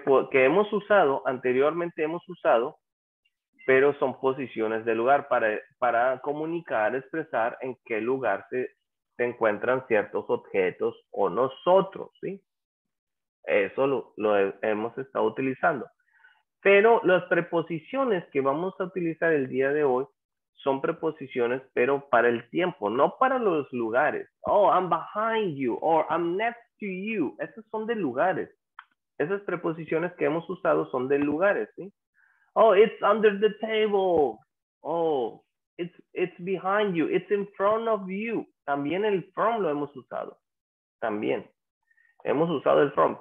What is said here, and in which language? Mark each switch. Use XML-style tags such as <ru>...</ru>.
<es>Que hemos usado, anteriormente hemos usado, pero son posiciones de lugar para comunicar, expresar en qué lugar se encuentran ciertos objetos o nosotros, ¿sí? Eso lo hemos estado utilizando. Pero las preposiciones que vamos a utilizar el día de hoy son preposiciones, pero para el tiempo, no para los lugares.</es> <en>Oh, I'm behind you, or I'm next to you.</en> <es>Esas son de lugares. Esas preposiciones que hemos usado son de lugares, ¿sí?</es> <en>Oh, it's under the table. Oh, it's behind you. It's in front of you.</en> <es>También el from lo hemos usado. También. Hemos usado el from.</es>